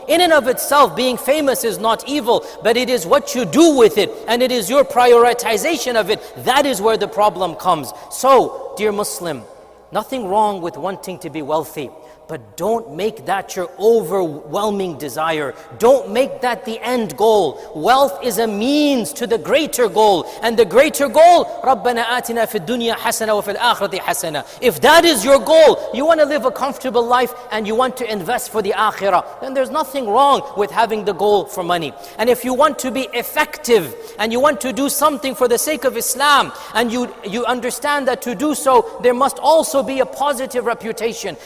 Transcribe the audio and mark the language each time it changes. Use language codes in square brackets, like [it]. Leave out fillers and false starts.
[en] In and of itself, being famous is not evil, but it is what you do with it, and it is your prioritization of it. That is where the problem comes. So, dear Muslim, nothing wrong with wanting to be wealthy, but don't make that your overwhelming desire. Don't make that the end goal. Wealth is a means to the greater goal. And the greater goal, [ar] رَبَّنَا آتِنَا فِي الدُّنْيَا حَسَنَا وَفِي الْآخْرَةِ حَسَنَا. [en] If that is your goal, you want to live a comfortable life and you want to invest for the akhirah, then there's nothing wrong with having the goal for money. And if you want to be effective and you want to do something for the sake of Islam, and you understand that to do so, there must also be a positive reputation.